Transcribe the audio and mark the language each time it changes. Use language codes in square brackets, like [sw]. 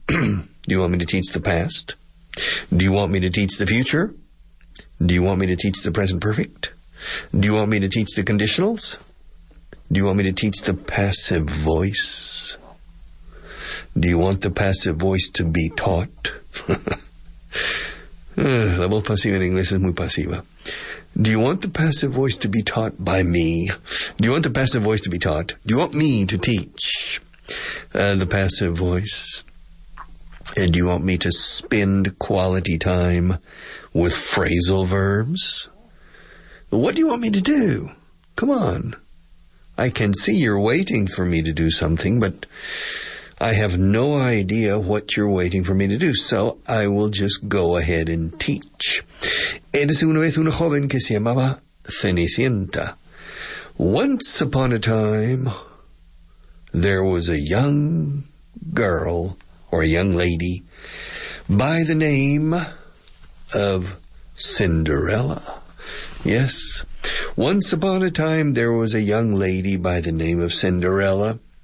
[en] Do you want me to teach the past? Do you want me to teach the future? Do you want me to teach the present perfect? Do you want me to teach the conditionals? Do you want me to teach the passive voice? Do you want the passive voice to be taught? [es] La voz pasiva en inglés es muy pasiva. [en] Do you want the passive voice to be taught by me? Do you want the passive voice to be taught? Do you want me to teach the passive voice? And do you want me to spend quality time with phrasal verbs? What do you want me to do? Come on. I can see you're waiting for me to do something, but I have no idea what you're waiting for me to do, so I will just go ahead and teach. [es] Érase una vez una joven que se llamaba Cenicienta. [en] Once upon a time, there was a young girl, or a young lady, by the name of Cinderella. Yes, once upon a time, there was a young lady by the name of Cinderella.